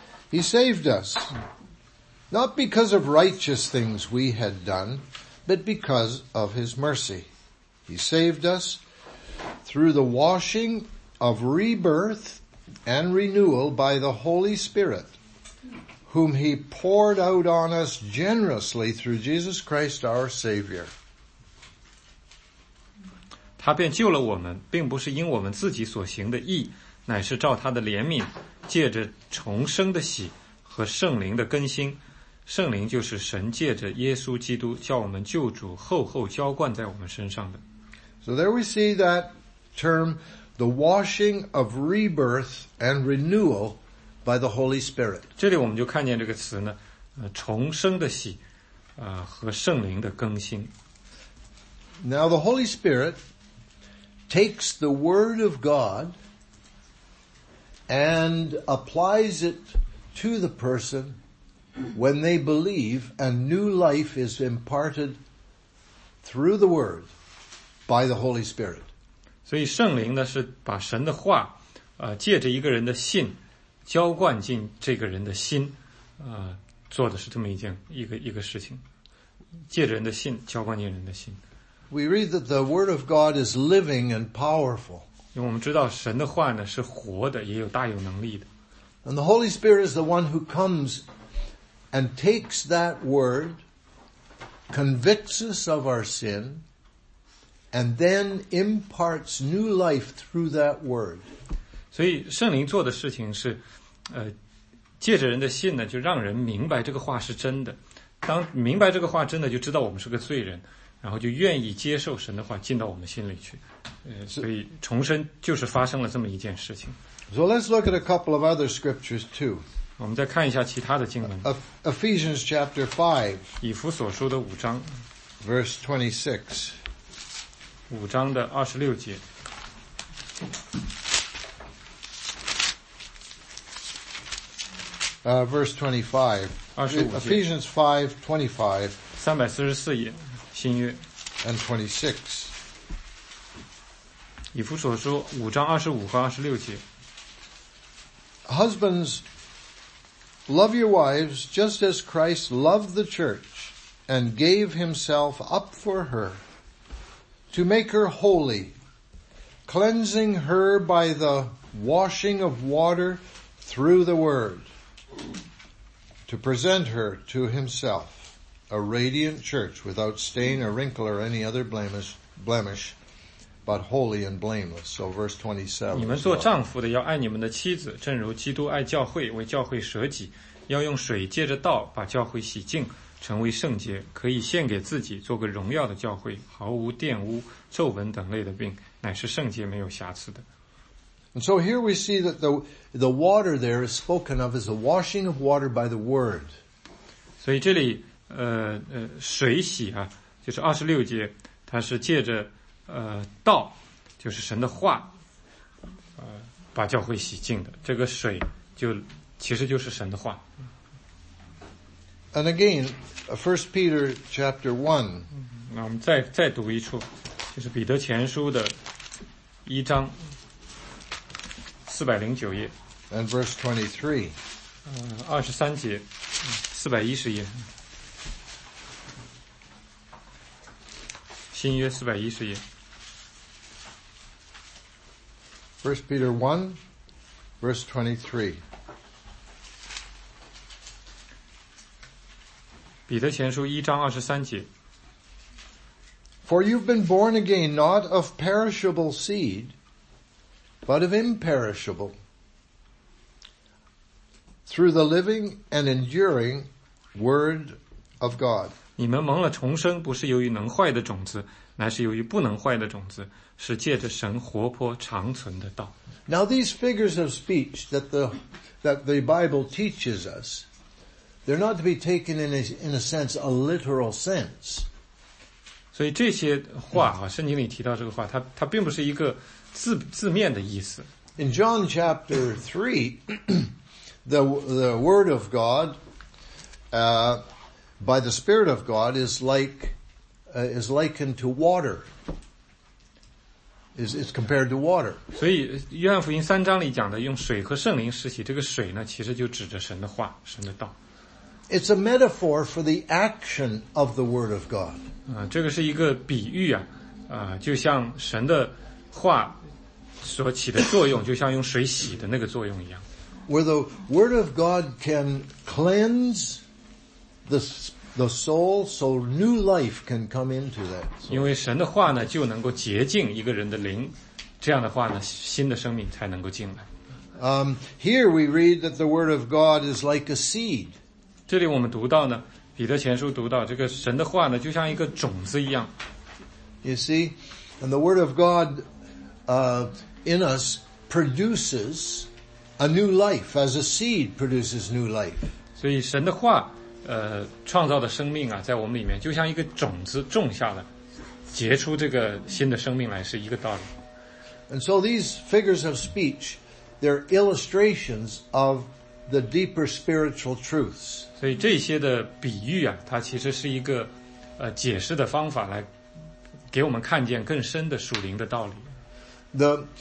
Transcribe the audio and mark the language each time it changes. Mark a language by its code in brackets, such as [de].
[en] He saved us, not because of righteous things we had done, but because of his mercy. He saved us through the washing of rebirth,And renewal by the Holy Spirit, whom He poured out on us generously through Jesus Christ our Savior. [zh] 他便救了我们，并不是因我们自己所行的义，乃是照他的怜悯，借着重生的喜和圣灵的更新。圣灵就是神借着耶稣基督叫我们救主厚厚浇灌在我们身上的。 [en] So there we see that term. The washing of rebirth and renewal by the Holy Spirit. [zh] 这里我们就看见这个词呢，重生的洗，和圣灵的更新。 [en] Now the Holy Spirit takes the Word of God and applies it to the person when they believe, and new life is imparted through the Word by the Holy Spirit. [zh] 所以圣灵呢是把神的话借着一个人的信浇灌进这个人的心做的是这么一件一个事情，借着人的信浇灌人的心。 [en] We read that the word of God is living and powerful. [zh] 因为我们知道神的话呢是活的，也有大有能力的。 [en] And the Holy Spirit is the one who comes and takes that word, convicts us of our sin, and then imparts new life through that word. [zh] 所以圣灵做的事情是，借着人的信呢，就让人明白这个话是真的。当明白这个话真的，就知道我们是个罪人。然后就愿意接受神的话进到我们心里去，所以重生就是发生了这么一件事情。 [en] So let's look at a couple of other scriptures too. [zh] 我们再看一下其他的经文。 [en] Ephesians chapter 5, [zh] 以弗所书的五章 [en] ，verse 26, [zh] 五章的二十六节。 [en] Verse 25, [zh] 二十五节。 [en] Ephesians 5:25, [zh] 三百四十四页。新约 [en] and 26. [zh] 以弗所书五章二十五和二十六节。 [en] Husbands, love your wives just as Christ loved the church and gave himself up for her to make her holy, cleansing her by the washing of water through the word, to present her to himself. A radiant church without stain or wrinkle or any other blemish, but holy and blameless. So verse 27. [zh] 你们做丈夫的要爱你们的妻子，正如基督爱教会，为教会舍己，要用水借着道把教会洗净，成为圣洁，可以献给自己，做个荣耀的教会，毫无玷污、皱纹等类的病，乃是圣洁，没有瑕疵的。 [en] And so here we see that the water there is spoken of as a washing of water by the word. [zh] 所以这里水洗啊，就是二十六节，它是借着道，就是神的话，把教会洗净的。这个水就其实就是神的话。 [en] And again, First Peter chapter 1. [zh] 那我们再读一处，就是彼得前书的一章四百零九页。 [en] And verse 23. [zh] 二十三节，四百一十页。新约四百一十页 [en] First Peter 1 verse 23 [zh] 彼得前书一章二十三节 [en] For you've been born again not of perishable seed but of imperishable through the living and enduring word of God [zh] 你们蒙了重生不是由于能坏的种子乃是由于不能坏的种子，是借着神活泼长存的道。 [en] Now these figures of speech that the Bible teaches us, they're not to be taken in a sense a literal sense. [zh] 所以这些话啊，圣经里提到这个话，它并不是一个字面的意思。 [en] In John chapter 3, the word of God, by the Spirit of God is likened to water. Is compared to water. [zh] 所以约翰福音三章里讲的用水和圣灵施洗，这个水呢，其实就指着神的话，神的道。 [en] It's a metaphor for the action of the Word of God. [zh] 这个是一个比喻啊，就像神的话所起的作用，就像用水洗的那个作用一样。 [en] Where the Word of God can cleanse the soul, so new life can come into that. [zh] 因为神的话呢，就能够洁净一个人的灵，这样的话呢，新的生命才能够进来。 [en] Here we read that the word of God is like a seed. [zh] 这里我们读到呢，彼得前书读到这个神的话呢，就像一个种子一样。 [en] You see, and the word of God, in us produces a new life as a seed produces new life. [zh] 所以神的话。创造的生命啊，在我们里面就像一个种子种下了，结出这个新的生命来，是一个道理。 [en] And so these figures of speech, they're illustrations of the deeper spiritual truths. [zh] 所以这些的比喻啊，它其实是一个解释的方法，来给我们看见更深的属灵的道理。